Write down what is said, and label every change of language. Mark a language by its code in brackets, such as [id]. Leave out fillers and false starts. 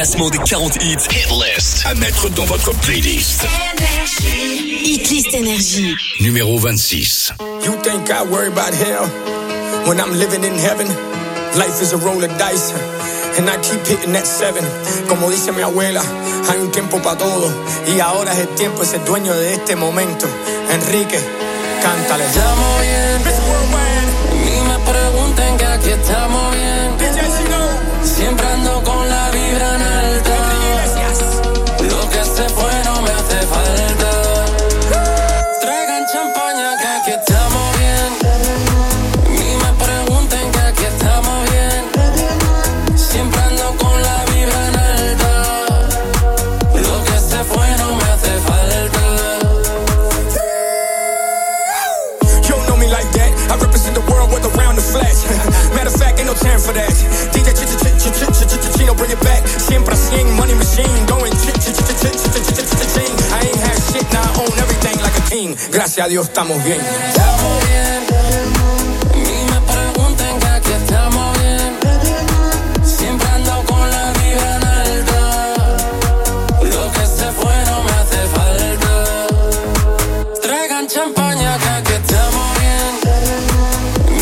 [fr] Des 40 hits Hit List à mettre dans votre playlist. [en] Hit List Energy [fr] numéro 26. [en] You think I worry about hell when I'm living in heaven? Life is a roll of dice And I keep hitting that seven. [es] Como dice mi abuela, hay un tiempo para todo. Y ahora es el tiempo, es el dueño de este momento. Enrique, cántale. Estamos bien, ni me pregunten que aquí estamos bien. Siempre ando con la vibra en alta. Lo que se fue no me hace falta. Traigan champaña que aquí estamos bien. Ni me pregunten que aquí estamos bien. Siempre ando con la vibra en alta. Lo que se fue no me hace falta. [en] You don't know me like that. I represent the world with a round of flesh. Matter of fact, ain't no time for that. Bring it back. [es] Siempre [en] sing money machine. Going ching. I ain't have shit now. I own everything like a king. [es] Gracias a Dios, estamos bien. Estamos bien. Ni me pregunten que aquí estamos bien. Siempre ando con la vibra en alta. Lo que se fue no me hace falta. Traigan champaña que aquí estamos bien.